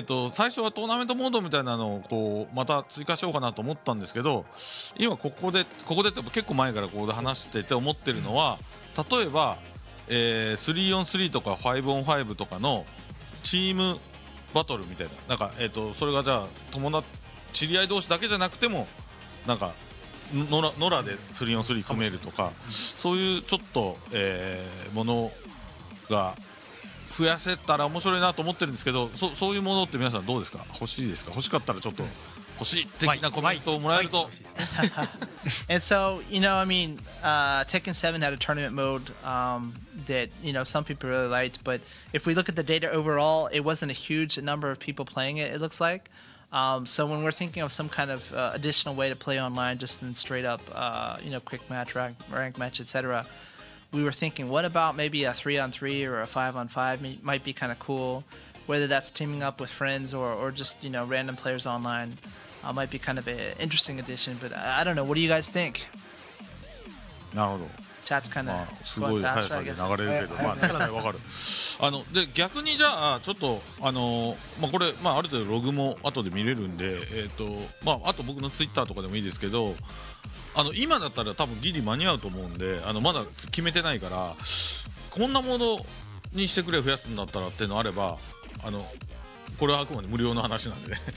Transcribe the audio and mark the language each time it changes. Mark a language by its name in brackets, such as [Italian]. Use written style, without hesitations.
[Japanese] 最初はトーナメントモードみたいなのをこうまた追加しようかなと思ったんですけど、今ここでって結構前からここで話してて思ってるのは、例えば、3-on-3 とか 5-on-5 とかのチームバトルみたいな、なんか、それがじゃあ知り合い同士だけじゃなくても、なんか野良で 3-on-3 組めるとか、そういうちょっと、ものが増やせたら面白いなと思ってるんですけど、そういうものって皆さんどうですか、欲しいですか、欲しかったらちょっと欲しい的なコメントをもらえると。 [English] And so, you know, I mean, Tekken 7 had a tournament mode that, you know, some people really liked, but if we look at the data overall, it wasn't a huge number of people playing it, it looks like. So when we're thinking of some kind of additional way to play online, just in straight up, you know, quick match, rank match, etc., we were thinking, what about maybe a 3-on-3 or a 5-on-5 might be kind of cool, whether that's teaming up with friends or just, you know, random players online, might be kind of an interesting addition, but I don't know, what do you guys think? [Japanese] なるほど。 [English] Chat's kind of [Japanese] すごい速さで流れるけど、まあね、わかる。で、逆にじゃあちょっと、まあ、これ、まあ、ある程度ログも後で見れるんで、まあ、あと僕の Twitter とかでもいいですけど、今だったら多分ギリ間に合うと思うんで、まだ決めてないから、こんなものにしてくれ、増やすんだったらっていうのあれば、これはあくまで無料の話なんで、